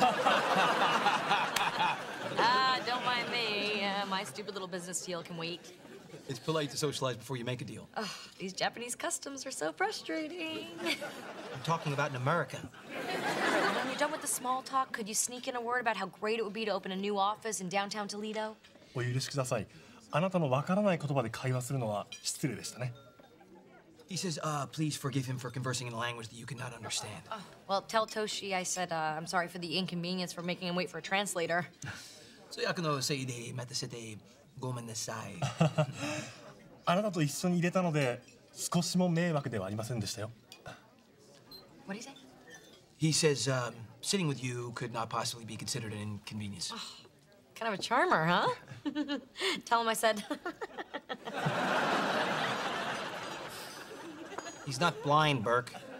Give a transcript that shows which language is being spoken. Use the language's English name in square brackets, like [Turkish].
[Japanese] 発音お上手ですね。東京に長いこといらっしゃったんでしょ?赤坂に。ああ、ビジネス街に。じゃあ夜の街六本木もよくご存知なんじゃ?あの、六本木でやったことは六本木で収めましょう。 [English] Don't mind me. My stupid little business deal can wait. It's polite to socialize before you make a deal. Oh, these Japanese customs are so frustrating. I'm talking about in America. When you're done with the small talk, could you sneak in a word about how great it would be to open a new office in downtown Toledo? [Japanese] お許しください。あなたのわからない言葉で会話するのは失礼でしたね。 [English] He says, please forgive him for conversing in a language that you cannot understand. Well, tell Toshi I said, I'm sorry for the inconvenience for making him wait for a translator. [Japanese] そやくのせいで待たせてごめんなさい。あなたと一緒に入れたので少しも迷惑ではありませんでしたよ。 [English] What do you say? He says, sitting with you could not possibly be considered an inconvenience. Oh, kind of a charmer, huh? Tell him I said. He's not blind, Burke.